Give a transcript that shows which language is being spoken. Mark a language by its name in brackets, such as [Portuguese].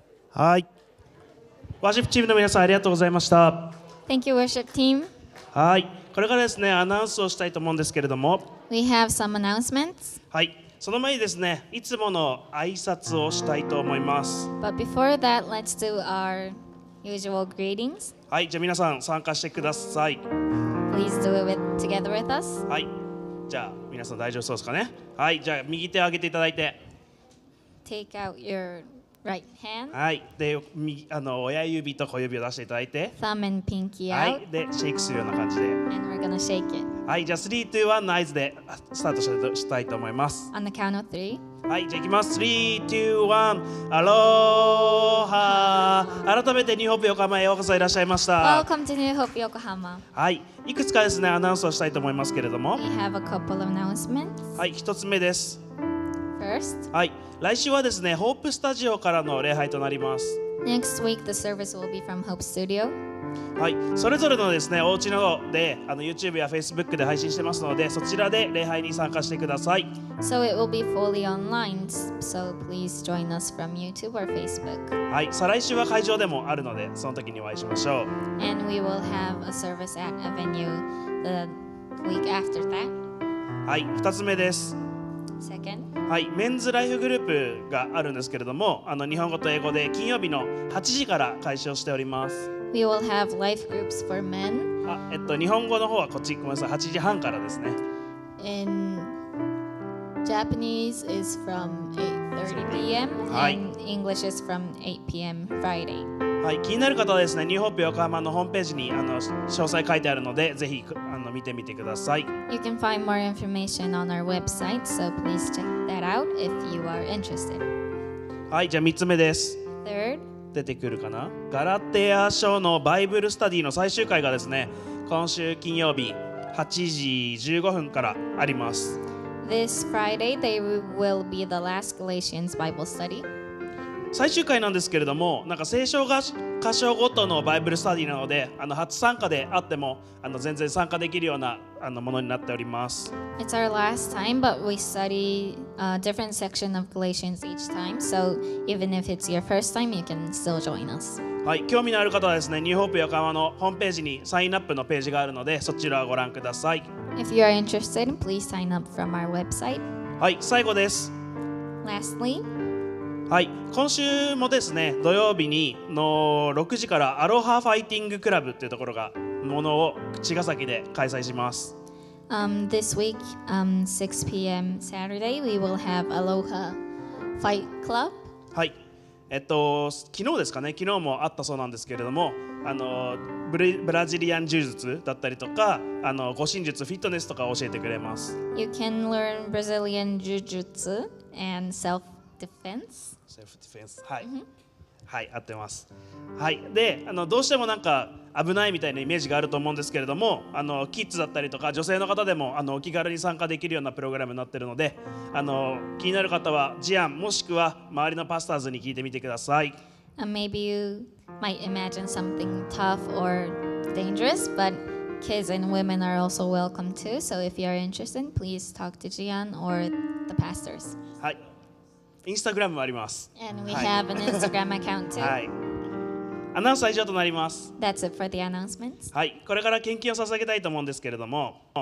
[Japanese] はい。ワーシップチームの皆さんありがとうございました。 [English] Thank you, worship team. [Japanese] はい。これからですね、アナウンスをしたいと思うんですけれども。 [English] We have some announcements. [Japanese] はい。その前にですね、いつもの挨拶をしたいと思います。 [English] But before that, let's do our usual greetings. [Japanese] はい。じゃあ皆さん参加してください。 [English] Please do it with, together with us. [Japanese] はい。じゃあ皆さん大丈夫そうですかね。はい。じゃあ右手を上げていただいて。 [English] Take out your right hand. [Japanese] はい。で、親指と小指を出していただいて。 [English] Thumb and pinky out. [Japanese] はい。で、シェイクするような感じで。 [English] And we're gonna shake it. [Japanese] はい、じゃあ3、2、1の合図でスタートしたいと思います。 [English] On the count of three. [Japanese] はい、じゃあいきます。3、2、1、アロハ。改めてニューホープ横浜へようこそいらっしゃいました。 [English] Welcome to New Hope Yokohama. [Japanese] はい、いくつかですね、アナウンスをしたいと思いますけれども。 [English] We have a couple of announcements. [Japanese] はい、一つ目です。 [English] First. [Japanese] はい、来週はですね、ホープスタジオからの礼拝となります。 [English] Next week, the service will be from Hope Studio. [Japanese] はい、それぞれのですね、お家などで YouTube や Facebook で配信してますので、そちらで礼拝に参加してください。 [English] So it will be fully online, so please join us from YouTube or Facebook. [Japanese] はい、再来週は会場でもあるので、その時にお会いしましょう。 [English] And we will have a service at a venue the week after that. [Japanese] はい、2つ目です。 [English] Second. [Japanese] はい、メンズライフグループがあるんですけれども、日本語と英語で金曜日の8時から開始をしております。 [English] We will have life groups for men. [Japanese] 日本語の方はこっち、ごめんなさい、8時半からですね。 [English] In Japanese is from 8:30 p.m. and English is from 8 p.m. Friday. [Japanese] はい、気になる方はですね、ニューホープ横浜のホームページに詳細書いてあるので、ぜひ見てみてください。 [English] You can find more information on our website, so please check that out if you are interested. [Japanese] はい、じゃあ3つ目です。 [English] Third. [Japanese] 出てくるかな。ガラテア書のバイブルスタディの最終回がですね、今週金曜日8時15分からあります。 [English] This Friday they will be the last Galatians Bible study. [Japanese] 最終回なんですけれども、なんか聖書が箇所ごとのバイブルスタディなので、初参加であっても全然参加できるようなものになっております。 [English] It's our last time, but we study a different section of Galatians each time, so even if it's your first time, you can still join us. [Japanese] はい、興味のある方はですね、ニューホープ横浜のホームページにサインアップのページがあるので、そちらをご覧ください。 [English] If you are interested, please sign up from our website. [Japanese] はい、最後です。 [English] Lastly. [Japanese] はい、今週もですね、土曜日にの6時からアロハファイティングクラブっていうところがものを茅ヶ崎で開催します。 [English] This week, 6 p.m. Saturday, we will have Aloha Fight Club. [Japanese] はい、昨日ですかね、昨日もあったそうなんですけれども、ブラジリアン柔術だったりとか、護身術、フィットネスとかを教えてくれます。 [English] You can learn Brazilian Jiu-Jitsu and self-defense. Self-defense. [Japanese] はい、mm-hmm. はい、合ってます。はい、で、どうしてもなんか危ないみたいなイメージがあると思うんですけれども、キッズだったりとか女性の方でもお気軽に参加できるようなプログラムになってるので、気になる方はジアン、もしくは周りのパスターズに聞いてみてください。 [English] Maybe you might imagine something tough or dangerous, but kids and women are also welcome too, so if you're interested, please talk to ジアン or the pastors. [Japanese] はい、インスタグラムもあります。 [English] And we have an Instagram account too. [Japanese] はい。アナウンスは以上となります。 [English] That's it for the announcements. [Japanese] はい。これから献金を捧げたいと思うんですけれども。